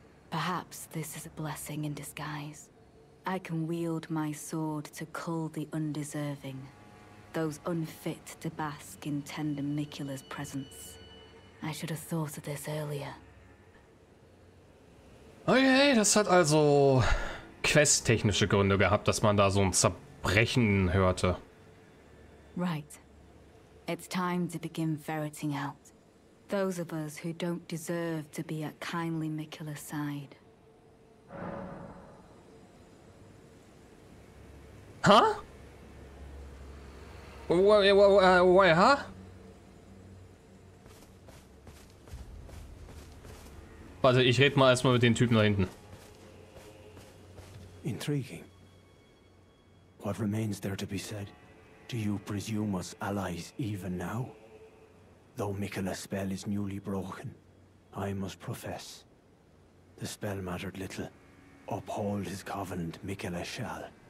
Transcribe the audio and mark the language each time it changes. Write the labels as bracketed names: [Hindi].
[English] Perhaps this is a blessing in disguise. I can wield my sword to cull the undeserving, those unfit to bask in tender Mikula's presence. I should have thought of this earlier. [German] Okay, das hat also... questtechnische Gründe gehabt, dass man da so ein Zerbrechen hörte. [English] Right. It's time to begin ferreting out. Those of us who don't deserve to be at kindly Mikula's side. Huh? Why, huh? [German] Warte, ich rede mal erstmal mit den Typen da hinten. [English] Intriguing. What remains there to be said? Do you presume us allies even now? Though Mikula's spell is newly broken, I must profess. The spell mattered little. Uphold his covenant, Mikula shall.